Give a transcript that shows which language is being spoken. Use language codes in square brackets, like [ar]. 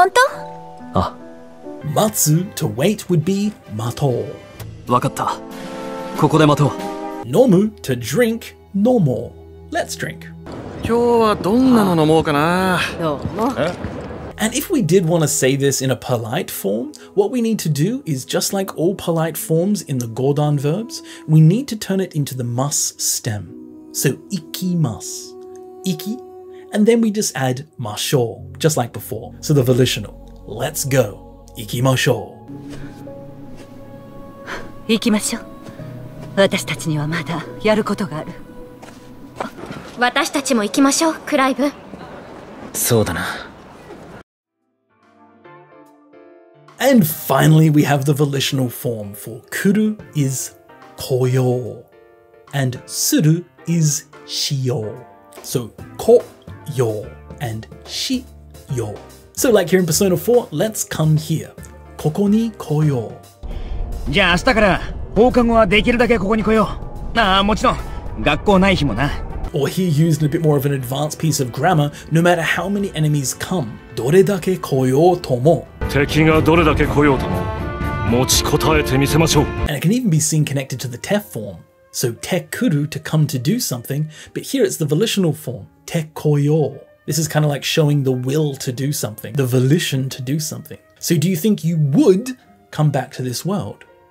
[ja] 夏野さんに話を聞こう。彼女は何かを知っている。一応聞こう。本当？あ。待つ [en] to wait would be [ja] 待とう。わかった。ここで待とう。飲む [en] to drink no more. Let's drink. [ja] 今日はどんなの飲もうかな。どうも。 [en] And if we did want to say this in a polite form, what we need to do is just like all polite forms in the Godan verbs, we need to turn it into the mus stem. So, ikimasu, iki, and then we just add masho, just like before. So the volitional, let's go, ikimasho. [ja] Ikimasho. 私たちにはまだやることがある。私たちも行きましょう、クライブ。そうだな。 [en] And finally, we have the volitional form for kuru is koyo, and suru is shio. So ko yo and shi yo. So like here in Persona 4, let's come here. [ja] Koko ni koyo. じゃあ明日から放課後はできるだけここに来よう. ああ、もちろん学校ない日もな. [en] Or here used in a bit more of an advanced piece of grammar, no matter how many enemies come, [ja] どれだけ来ようとも. 敵がどれだけ来ようとも持ちこたえてみせましょう. [en] And it can even be seen connected to the te form. So te kuru, to come to do something, but here it's the volitional form, te koyo. This is kind of like showing the will to do something, the volition to do something. So do you think you would come back to this world?